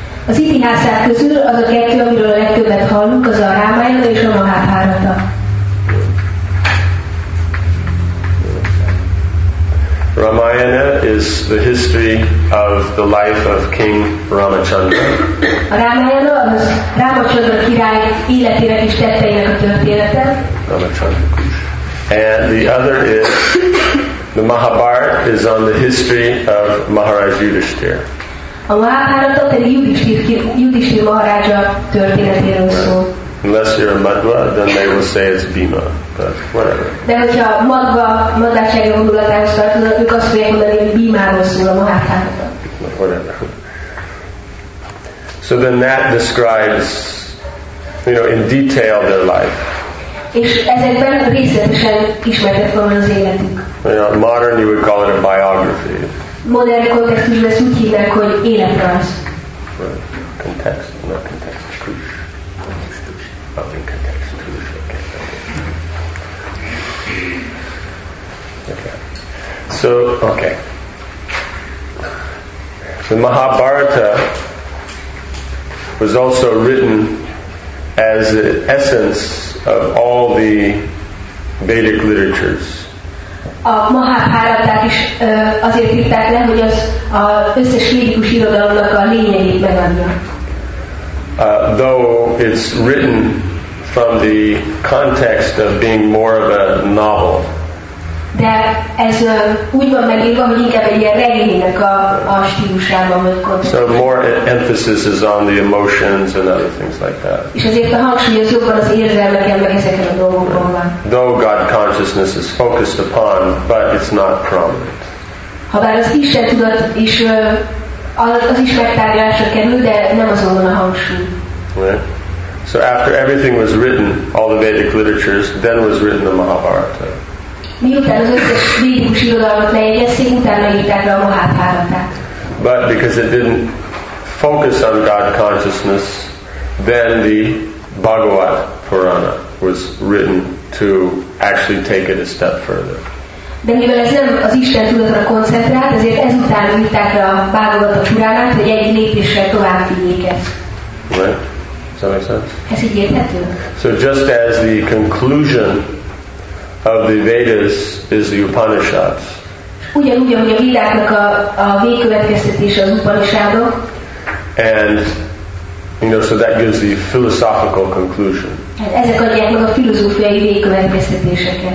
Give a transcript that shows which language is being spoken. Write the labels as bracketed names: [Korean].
[Hungarian] Az itihászák közül az a kettő, amiről a legtöbbet hallunk, az a Rámayana és a Mahábhárata. [English] Ramayana is the history of the life of King Ramachandra. [Hungarian] A Rámayana az Ramachandra király életének és tetteinek a története. Ramachandra. [English] And the other is the Mahabharata is on the history of Maharaj Yudhishthira. [Hungarian] A Mahabharata pedig Yudhishthira Maharaja történetéről szól. [English] Unless you're a Madhva, then they will say it's Bhima, but whatever. [Hungarian] De hogyha a Madhvasági gondolatához tartozik, ők azt fogják mondani, hogy Bhimáról szól a Mahabharata. [English] Whatever. So then that describes, you know, in detail their life. [Hungarian] És ezekben részletesen ismertek van az életük. [English] You know, modern you would call it a biography. [Hungarian] Modern kontextusban ezt úgy hívják, hogy életrajz. [English] Context, not context, crucial. Not in context, crucial. Okay. The Mahabharata was also written as the essence of all the Vedic literatures. [Hungarian] A Mahabharatát is azért írták le, hogy az a összes védikus irodalomnak a lényegét megadja. [English] Though it's written from the context of being more of a novel. [Hungarian] De ez úgy van megírva, hogy inkább egy ilyen regénynek a stílusában vagy kontextusában. [English] So more emphasis is on the emotions and other things like that. [Hungarian] És azért a hangsúly az jobban az érzelmeken meg ezeken a dolgokon van. [English] Though God consciousness is focused upon, but it's not prominent. [Hungarian] Habár az Isten tudat is az is megtárgyalásra kerül, de nem azon van a hangsúly. [English] So after everything was written, all the Vedic literatures, then was written the Mahabharata. [Hungarian] Miután az összes védikus irodalmat lejegyezték, utána írták le a Mahábhárata. [English] But because it didn't focus on God consciousness, then the Bhagavad Purana was written to actually take it a step further. [Hungarian] De mivel ez nem az Isten tudatra koncentrált, ezért ezután írták a Bhagavad Purana-t, hogy egy lépéssel tovább vigyék ezt. [English] Does that make sense? [Hungarian] Ez így érthető? [English] So just as the conclusion of the Vedas is the Upanishads. [Hungarian] Ugyanúgy, ahogy a vidáknak a végkövetkeztetése az Upanishadok. [English] And you know, so that gives the philosophical conclusion. [Hungarian] Ezek adják meg a filozófiai végkövetkeztetéseket.